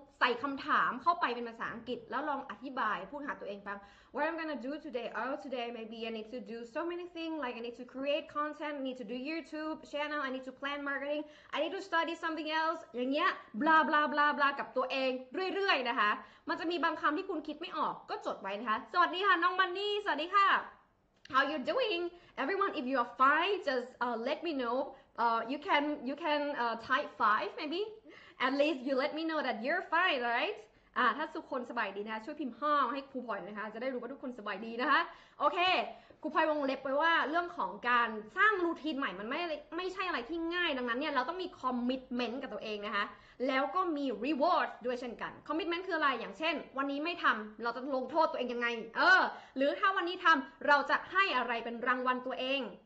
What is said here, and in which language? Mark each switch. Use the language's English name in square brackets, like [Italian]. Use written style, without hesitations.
[Thai] ใส่คำถามเข้าไปเป็นภาษาอังกฤษแล้วลองอธิบายพูดหาตัวเองฟัง [English] What I'm gonna do today Oh today maybe I need to do so many things like I need to create content I need to do YouTube channel I need to plan marketing I need to study something else [Thai] อย่างเงี้ยบลาบลาบลาบลากับตัวเองเรื่อยๆนะคะมันจะมีบางคำที่คุณคิดไม่ออกก็จดไว้นะคะสวัสดีค่ะน้องมันนี่สวัสดีค่ะ [English] How you doing? Everyone, if you are fine, just let me know. You can type five maybe. At least you let me know that you're fine, right? [Thai] ถ้าทุกคนสบายดีนะช่วยพิมพ์ห้องให้ครูพลอยนะคะจะได้รู้ว่าทุกคนสบายดีนะคะโอเคครูพลอยวงเล็บไว้ว่าเรื่องของการสร้างรูทีนใหม่มันไม่ใช่อะไรที่ง่ายดังนั้นเนี่ยเราต้องมีคอมมิตเมนต์กับตัวเองนะคะแล้วก็มีรีวอร์ดด้วยเช่นกันคอมมิตเมนต์คืออะไรอย่างเช่นวันนี้ไม่ทำเราจะลงโทษตัวเองยังไงหรือถ้าวันนี้ทำเราจะให้อะไรเป็นรางวัลตัวเอง